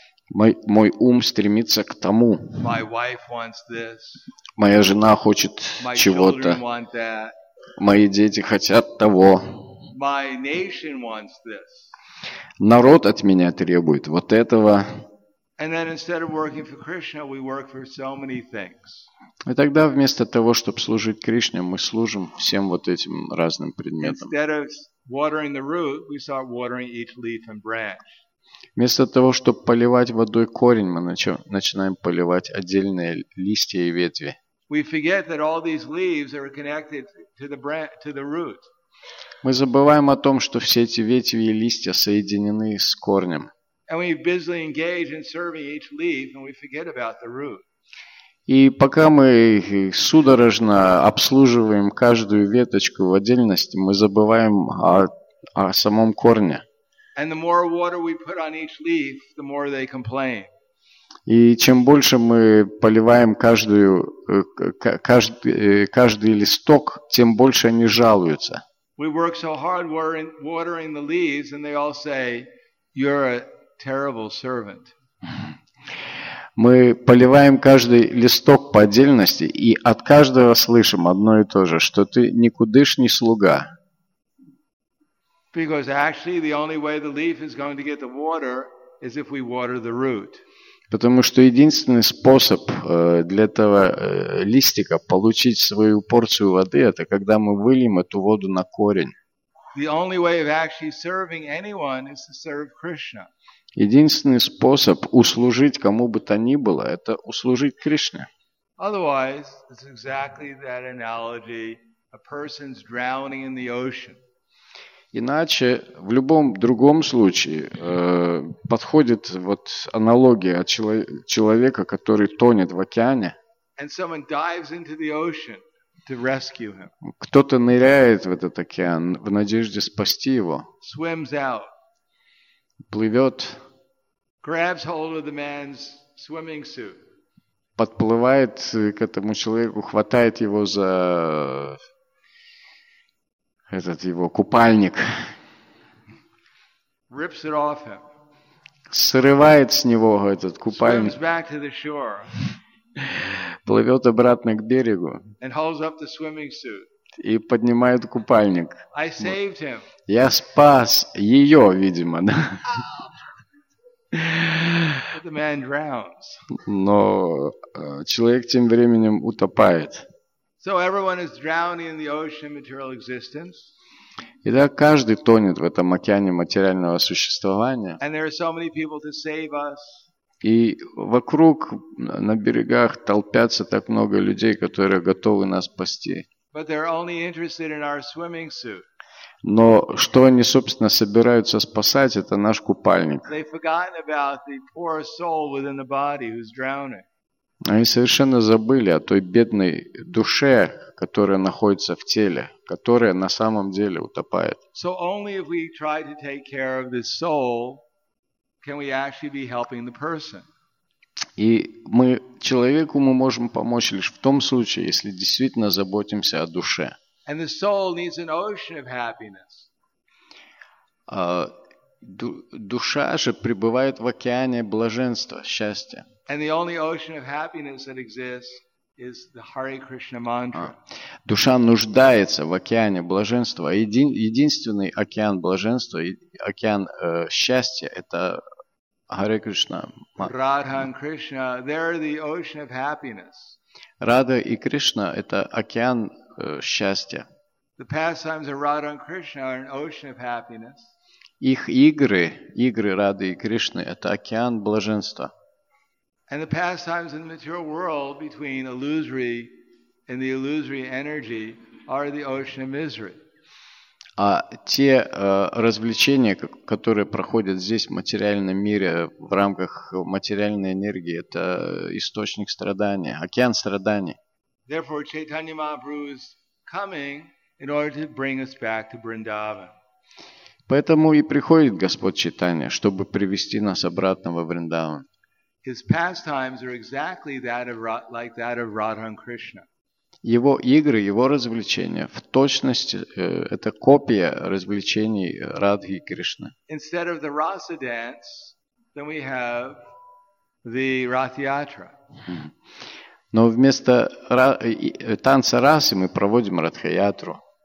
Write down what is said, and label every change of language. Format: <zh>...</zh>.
<ru>Мой ум стремится к тому.</ru> <en>My wife wants this.</en> <ru>Моя жена хочет</ru> <en>My</en> <ru>чего-то.</ru> <en>Children want that.</en> <ru>Мои дети хотят того.</ru> <en>My nation wants this.</en> <ru>Народ от меня требует вот этого.</ru> <en>And then instead of working for Krishna, we work for so many things.</en> <ru>И тогда вместо того, чтобы служить Кришне, мы служим всем вот этим разным предметам.</ru> <en>Instead of watering the root, we start watering each leaf and branch.</en> <ru>Вместо того, чтобы поливать водой корень, мы начинаем поливать отдельные листья и ветви.</ru> <en>We forget that all these leaves are connected to the branch, to the root.</en> <ru>Мы забываем о том, что все эти ветви и листья соединены с корнем.</ru> <en>And we busily engage in serving each leaf, and we forget about the root.</en> <ru>И пока мы судорожно обслуживаем каждую веточку в отдельности, мы забываем о самом корне.</ru> <en>And the more water we put on each leaf, the more they complain.</en> <ru>И чем больше мы поливаем каждый листок, тем больше они жалуются.</ru> <en>We work so hard watering the leaves, and they all say, "You're a terrible servant."</en> <ru>Мы поливаем каждый листок по отдельности, и от каждого слышим одно и то же, что ты никудышний слуга.</ru> <en>Because actually, the only way the leaf is going to get the water is if we water the root.</en> <ru>Потому что единственный способ для этого листика получить свою порцию воды, это когда мы выльем эту воду на корень. Единственный способ услужить кому бы то ни было, это услужить Кришне.</ru> <en>Otherwise, it's exactly that analogy, a person's drowning in the ocean.</en> <ru>Иначе в любом другом случае подходит вот аналогия от человека, который тонет в океане.</ru> <en>And someone dives into the ocean to rescue him.</en> <ru>Кто-то ныряет в этот океан в надежде спасти его.</ru> <en>Swims out.</en> <ru>Плывет.</ru> <en>Grabs hold of the man's swimming suit.</en> <ru>Подплывает к этому человеку, хватает его за этот его купальник.</ru> <en>Rips it off him.</en> <ru>Срывает с него этот купальник.</ru> <en>Swims back to the shore.</en> <ru>Плывет обратно к берегу.</ru> <en>And holds up the swimming suit.</en> <ru>И поднимает купальник.</ru> <en>I saved him.</en> <ru>Я спас ее, видимо. Да?</ru> <en>The man drowns.</en> <ru>Но человек тем временем утопает.</ru> <en>So everyone is drowning in the ocean of material existence.</en> <ru>Итак, каждый тонет в этом океане материального существования.</ru> <en>And there are so many people to save us.</en> <ru>И вокруг на берегах толпятся так много людей, которые готовы нас спасти.</ru> <en>But they're only interested in our swimming suit.</en> <ru>Но что они, собственно, собираются спасать, это наш купальник.</ru> <en>They've forgotten about the poor soul within the body who's drowning.</en> <ru>Они совершенно забыли о той бедной душе, которая находится в теле, которая на самом деле утопает.</ru> <en>So only if we try to take care of this soul can we actually be helping the person.</en> <ru>И мы человеку мы можем помочь лишь в том случае, если действительно заботимся о душе.</ru> <en>And the soul needs an ocean of happiness.</en> <ru>Душа же пребывает в океане блаженства, счастья.</ru> <en>And the only ocean of happiness that exists is the Hare Krishna mantra.</en> <ru>Душа нуждается в океане блаженства. Единственный океан блаженства, океан счастья – это Hare Krishna.</ru> <en>Radha and Krishna, they're the ocean of happiness.</en> <ru>Radha и Кришна – это океан счастья.</ru> <en>The pastimes of Radha and Krishna are an ocean of happiness.</en> <ru>Их игры, игры Рады и Кришны – это океан блаженства.</ru> <en>And the pastimes in the material world between illusory and the illusory energy are the ocean of misery.</en> <ru>А те развлечения, которые проходят здесь в материальном мире в рамках материальной энергии, это источник страдания, океан страданий.</ru> <en>Therefore, Chaitanya Mahaprabhu is coming in order to bring us back to Vrindavan.</en> <ru>Поэтому и приходит Господь Чайтанья, чтобы привести нас обратно во Вриндаван.</ru> <en>His pastimes are exactly that of like that of Radha and Krishna.</en> <ru>Его игры, его развлечения в точности это копия развлечений Радхи и Кришны.</ru> <en>Instead of the rasa dance, then we have the rathyatra.</en> <ru>Но вместо танца расы мы проводим ратхаятру.</ru>